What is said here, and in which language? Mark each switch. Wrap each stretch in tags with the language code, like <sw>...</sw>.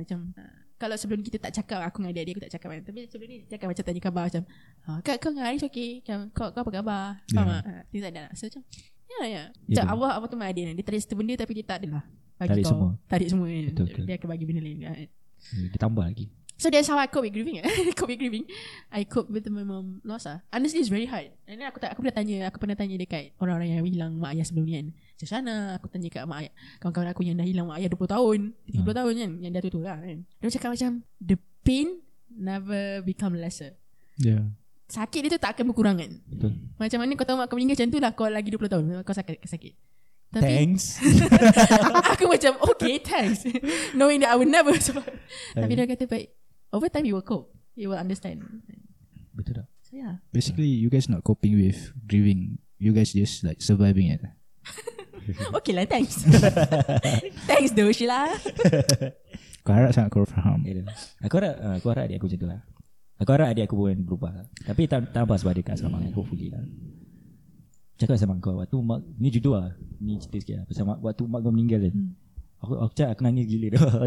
<ms>Macam kalau sebelum kita tak cakap, aku dengan adik aku tak cakap kan. Tapi sebelum ni cakap macam tanya khabar macam, kak kau dengan Arish okay? Kau apa khabar? Faham tak? Tidak ada. So macam, ya. Allah apa tu my idea. Dia tarik satu benda tapi dia tak adalah. Tarik semua. Betul. Dia akan bagi benda lain. Dia tambah lagi.</ms> <en>So that's how I cope with grieving. I cope with my mom loss lah. Honestly, it's very hard.</en> <ms>And then aku pernah tanya dekat orang-orang yang hilang mak ayah sebelum ni kan. Macam sana, aku tanya kat mak ayah, kawan-kawan aku yang dah hilang mak ayah 20 tahun, 30 tahun kan, yang dah tutup lah kan. Dia cakap macam,</ms> <en>the pain never become lesser. Yeah.</en> <ms>Sakit dia tu tak akan berkurang kan. Betul. Macam mana kau tahu mak kau meninggal macam tu lah, kau lagi 20 tahun, kau sakit. Tapi, thanks. Aku macam, okay, thanks.</ms> <en>Knowing that I would never. So,</en> <ms>tapi dia kata, baik,</ms> <en>over time you will cope, you will understand.</en> <ms>Betul tak?</ms> <en>So yeah. Basically, you guys not coping with grieving, you guys just like surviving it. Okay lah, thanks. Thanks though, Sheila.</en> <ms>Aku harap sangat kau faham. Aku harap adik aku macam tu lah. Aku harap adik aku pun berubah. Tapi tak apa sebab dia kat asrama kan. Hopefully lah. Cakap sama kau, waktu mak, ni judul lah, ni cerita sikit lah. Pasal waktu mak kau meninggal kan. Aku cakap, aku nangis gila dah.</ms>